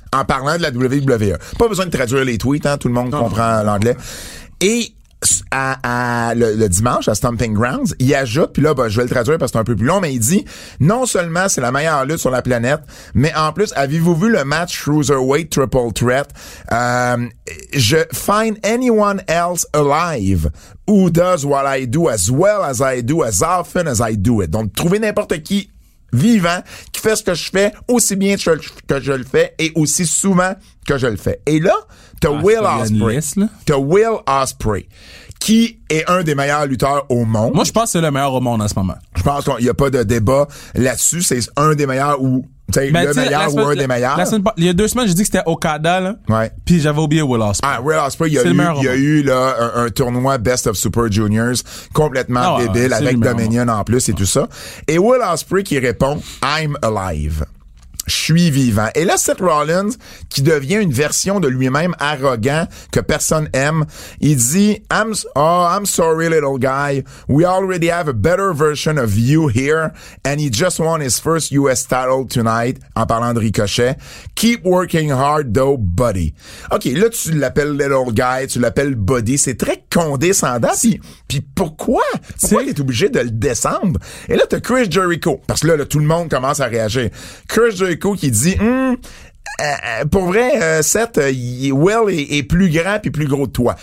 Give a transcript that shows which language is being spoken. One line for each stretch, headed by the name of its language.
French: En parlant de la WWE. Pas besoin de traduire les tweets, hein, tout le monde comprend l'anglais. Et le dimanche à Stomping Grounds, il ajoute, puis là, ben, je vais le traduire parce que c'est un peu plus long, mais il dit, non seulement c'est la meilleure lutte sur la planète, mais en plus, avez-vous vu le match Cruiserweight Triple Threat?
English: Je find anyone else alive who does what I do as well as I do, as often as I do it.
French: Donc, trouver n'importe qui vivant qui fait ce que je fais aussi bien que je le fais et aussi souvent que je le fais. Et là, t'as Will Ospreay. T'as Will Ospreay, qui est un des meilleurs lutteurs au monde. Moi, je pense que c'est le meilleur au monde en ce moment. Je pense qu'il n'y a pas de débat là-dessus. C'est un des meilleurs ou le meilleur ou un des meilleurs. Il y a deux semaines, j'ai dit que c'était Okada, là. Ouais. Puis j'avais oublié Will Ospreay. Ah, Will Ospreay, il y a eu un tournoi Best of Super Juniors complètement débile avec Dominion en plus et tout ça. Et Will Ospreay qui répond,
English: I'm alive.
French: Je suis vivant. Et là, Seth Rollins, qui devient une version de lui-même arrogant, que personne aime, il dit,
English: I'm sorry, little guy. We already have a better version of you here. And he just won his first US title tonight,
French: en parlant de Ricochet.
English: Keep working hard, though, buddy.
French: OK, là, tu l'appelles little guy, tu l'appelles buddy. C'est très condescendant. Puis pourquoi? Pourquoi t'es obligé de le descendre? Et là, t'as Chris Jericho. Parce que là, tout le monde commence à réagir. Chris Jericho qui dit, pour vrai, Seth, Will est plus grand puis plus gros que toi.